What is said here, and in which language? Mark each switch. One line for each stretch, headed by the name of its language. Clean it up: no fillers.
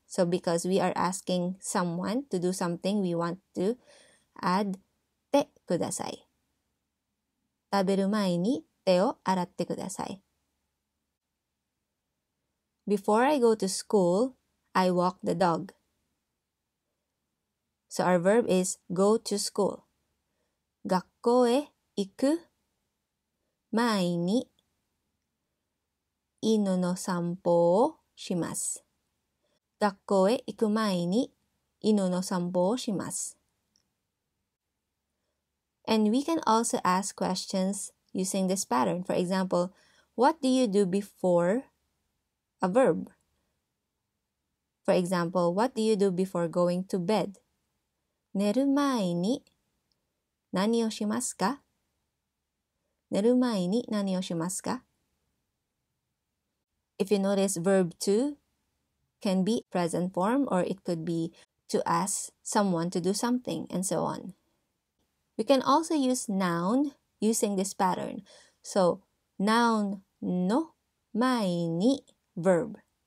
English: So because we are asking someone to do something, we want to add てください。
Japanese: 食べる前に手を洗ってください。
English: Before I go to school, I walk the dog. So our verb is go to school.
Japanese: 学校へ行く前に犬の散歩をします。学校へ行く前に犬の散歩をします。
English: And we can also ask questions using this pattern. For example, what do you do before a verb? For example, what do you do before going to bed?
Japanese: 寝る前に何をしますか？寝る前に何をしますか？
English: If you notice, verb to can be present form or it could be to ask someone to do something and so on. We can also use noun using this pattern. So, noun の前に verb.